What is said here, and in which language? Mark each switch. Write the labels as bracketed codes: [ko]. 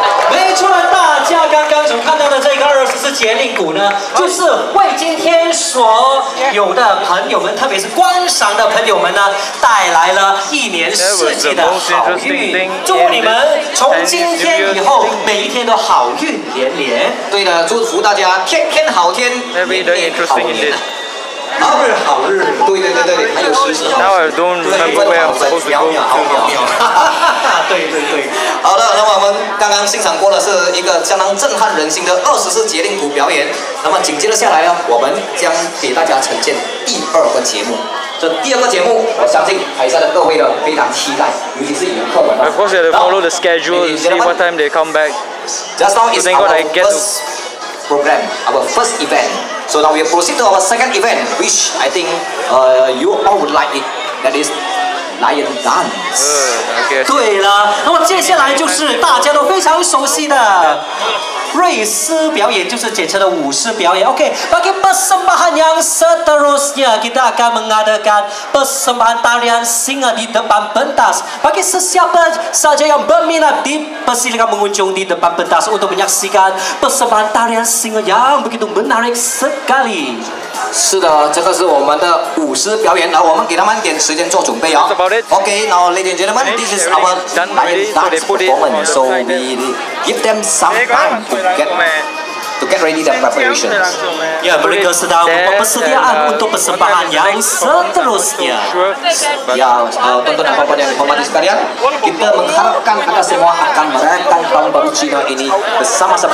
[zh] 没错了，大家刚刚所看到的这个二十四节令鼓呢，就是为今天所有的朋友们，特别是观赏的朋友们呢，带来了一年四季的好运。祝你们从今天以后每一天都好运连连。对的，祝福大家天天好天，年年好运。好日好日，对对对对，还有时候。 [en] Now I don't remember where I'm supposed to go. [zh] 秒秒秒秒。对对对。好的，那么我们刚刚欣赏过的是一个相当震撼人心的二十四节令鼓表演。那么紧接着下来呢，我们将给大家呈现第二个节目。这第二个节目，我相信台下的各位呢非常期待，尤其是游客们。 [en] Of course, they follow the schedule to see what time they come back. Just now is our first program, our first event. So now we proceed to our second event, which I think you all would like it. That is. Lion Dance. [zh] 对了，那么接下来就是大家都非常熟悉的瑞斯表演，就是简称的舞狮表演。 [ms] OK, bagi persembahan yang seterusnya kita akan mengadakan persembahan tarian singa di depan pentas. Bagi sesiapa saja yang berminat, dipersilakan mengunjung di depan pentas untuk menyaksikan persembahan tarian singa yang begitu menarik sekali. [zh] 是的，这个是我们的舞狮表演，来，我们给他们点时间做准备啊。 [en] Okay, now ladies and gentlemen, this is our lion dance performance. So we give them some time to get ready the preparations. [ms] Yeah, mereka sedang mempersediaan untuk persembahan yang seterusnya. Yeah, tonton apa pun yang hormati sekalian, kita mengharapkan anda semua akan merayakan tahun baru Cina ini bersama-sama.